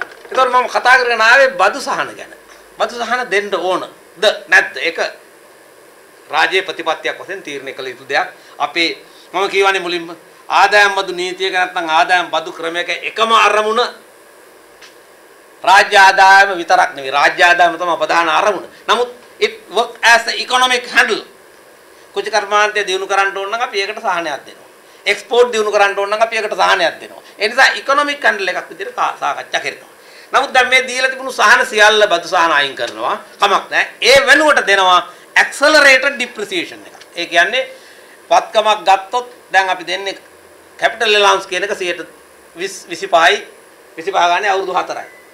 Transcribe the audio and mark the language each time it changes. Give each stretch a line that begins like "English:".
Sinhala: ඒතර මම කතා කරගෙන ආවේ බදු සහන ගැන. බදු සහන දෙන්න ඕනද නැද්ද? ඒක රාජ්‍ය ප්‍රතිපත්තියක් වශයෙන් තීරණය කළ යුතු දෙයක්. අපේ මම කියවනේ මුලින්ම ආදායම් බදු නීතියක නැත්නම් ආදායම් බදු ක්‍රමයක එකම අරමුණ රාජ්‍ය ආදායම විතරක් නෙවෙයි. රාජ්‍ය ආදායම තමයි ප්‍රධාන අරමුණ. නමුත්
English: it work as a economic handle.
Sinhala: කුචකර්මාන්තය දිනු කරන්න ඕන නම් අපි ඒකට සහනයක් දෙනවා. එක්ස්පෝර්ට් දිනු කරන්න ඕන නම් අපි ඒකට සහනයක් දෙනවා. ඒ නිසා economic handle එකක් විදිහට සාකච්ඡා කරනවා. නමුත් දැන් මේ දීලා තිබුණු සහන සියල්ල බදු සහන අයින් කරනවා. කමක් නැහැ. ඒ වෙනුවට දෙනවා accelerated depreciation එක. ඒ කියන්නේ පත්කමක් ගත්තොත් දැන් අපි දෙන්නේ capital allowance කියන එක 25යි 25 ගානේ අවුරුදු 4යි.